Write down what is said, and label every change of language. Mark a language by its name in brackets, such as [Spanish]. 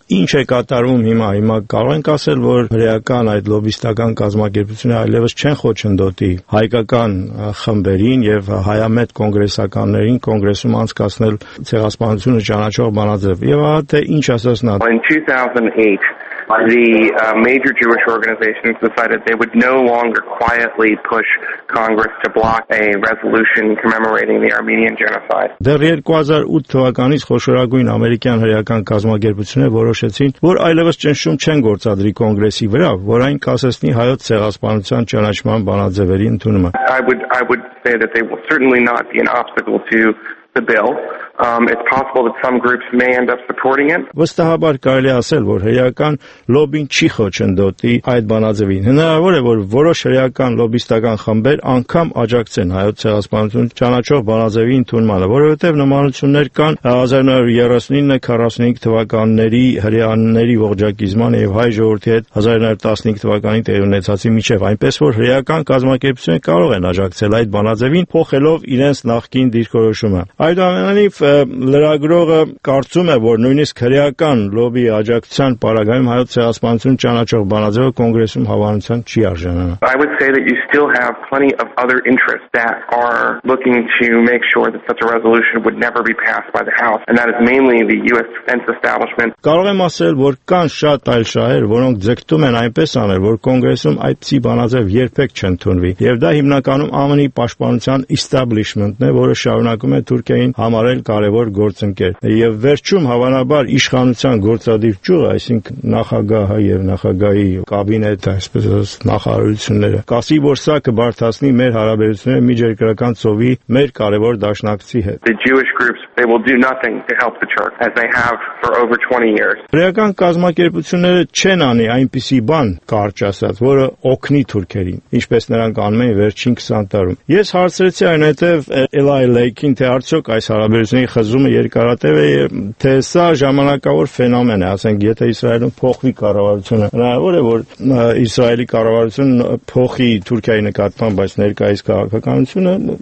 [Armenian] ինչ է կատարվում հիմա կարող ենք ասել, որ հրեական այդ լոբիստական կազմակերպությունը այլևս չեն խոչընդոտի հայկական խմբերին եւ հայամետ կոնգրեսականներին կոնգրեսում անցկացնել ցեղասպանությունը ճանաչող բանաձև։ Եվ ահա թե ինչ ասաց նա։ [English] The major Jewish organizations decided they would no longer quietly push Congress to block a resolution commemorating the Armenian genocide. [Armenian] Դեռ 2008 թվականից խոշորագույն ամերիկյան հրեական կազմակերպությունը որոշեցին, որ այլևս ճնշում չեն գործադրի կոնգրեսի վրա, որ այն կասեցնի հայոց ցեղասպանության ճանաչման բանաձևերի ընդունումը. [English] I would say that they will certainly not be an obstacle to the bill. It's possible that some groups may end up supporting it. [Armenian] Վստահաբար կարելի ասել, որ հրեական լոբին չի խոչընդոտի այդ բանաձևին։ Հնարավոր է, որ որոշ հրեական լոբիստական խմբեր անգամ աջակցեն հայոց ցեղասպանություն ճանաչող բանաձևի ընդունմանը, որովհետև նմանություններ կան 1939-45 թվականների հրեաների ողջակիզման եւ հայ ժողովրդի հետ 1915 թվականի տեղի ունեցածի միջև, այնպես որ հրեական կազմակերպությունը կարող են աջակցել այդ բանաձևին փոխելով իրենց նախկին դիրքորոշումը։ Այդուհանդերձ լրագրողը կարծում է, որ նույնիսկ հրեական լոբի աջակցության պարագայում հայոց ցեղասպանությունը ճանաչող բանաձևը կոնգրեսում հավանության չի արժանանա։ [English] I would say that you still have plenty of other interests that are looking to make sure that such a resolution would never be passed by the House, and that is mainly the US defense establishment. [Armenian] Կարող եմ ասել, որ կան շատ այլ շահեր, որոնք ձգտում են այնպես անել, որ կոնգրեսում այդպիսի բանաձև երբեք չընդունվի, եւ դա հիմնականում ԱՄՆ-ի պաշտպանության establishment-ն է, որը շարունակում է Թուրքիային համար կարևոր գործընկեր։ Եվ վերջում հավանաբար իշխանության գործադիր ճյուղը, այսինքն նախագահը եւ նախագահի կաբինետը, այսպես ասած նախարարությունները, կասի, որ սա կբարձրացնի մեր հարաբերությունները միջերկրական ծովի մեր կարևոր դաշնակցի հետ։ [English] They will do nothing to help the Turk as they have for over 20 years. [Armenian] Հրեական կազմակերպությունները չեն անի այնպիսի բան, կարճ ասած, որը օգնի թուրքերին, ինչպես նրանք անում են վերջին 20 տարում։ Ես հարցրեցի այնուհետև Eli Lake-ին, թե արդյոք արդյոք այս հարաբերությունների խզումը երկարատև է, թե սա ժամանակավոր ֆենոմեն է, ասենք, եթե Իսրայելում փոխվի կառավարությունը, հնարավոր է, որ Իսրայելի կառավարությունը փոխի Թուրքիայի նկատմամբ այս ներկայիս քաղաքականությունը,